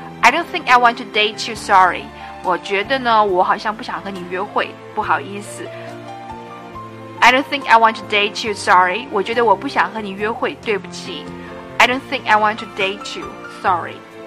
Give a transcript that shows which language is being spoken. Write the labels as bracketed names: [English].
[English] I don't think I want to date you, sorry. [Chinese] 我觉得呢，我好像不想和你约会，不好意思。 [English] I don't think I want to date you, sorry. [Chinese] 我觉得我不想和你约会，对不起。 [English] I don't think I want to date you, sorry.